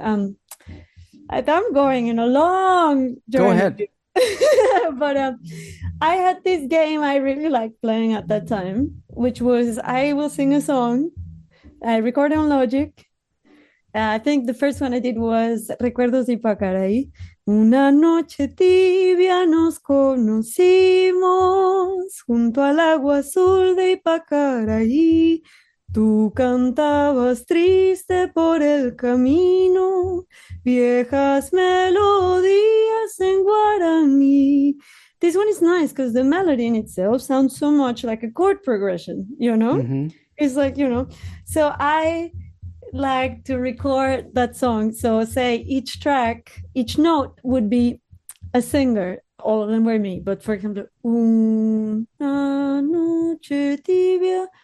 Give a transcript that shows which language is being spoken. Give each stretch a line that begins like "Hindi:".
English: I'm going in a long Go journey, ahead. but I had this game I really liked playing at that time, which was I will sing a song, I record on Logic. I think the first one I did was Recuerdos de Ipacaraí.
Spanish: Una noche tibia nos conocimos junto al agua azul de Ipacaraí. Tú cantabas triste por el camino, viejas melodías en guaraní.
English: This one is nice because the melody in itself sounds so much like a chord progression, you know? It's like, you know. So I like to record that song. So, say, each track, each note would be a singer. All of them were me. But for example,
Spanish: Una noche tibia.